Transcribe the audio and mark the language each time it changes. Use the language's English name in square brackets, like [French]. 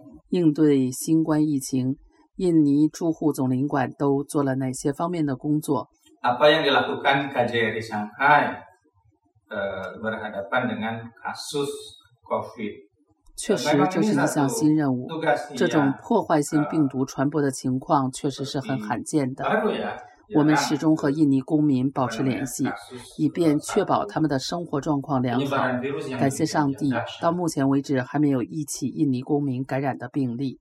[Chinese] 应对新冠疫情，印尼驻沪总领馆都做了哪些方面的工作？ [Indonesian] Apa yang dilakukan KJRI Shanghai berhadapan dengan kasus COVID？ [Chinese] 确实，这是一项新任务。这种破坏性病毒传播的情况确实是很罕见的。我们始终和印尼公民保持联系，以便确保他们的生活状况良好。感谢上帝，到目前为止还没有一起印尼公民感染的病例。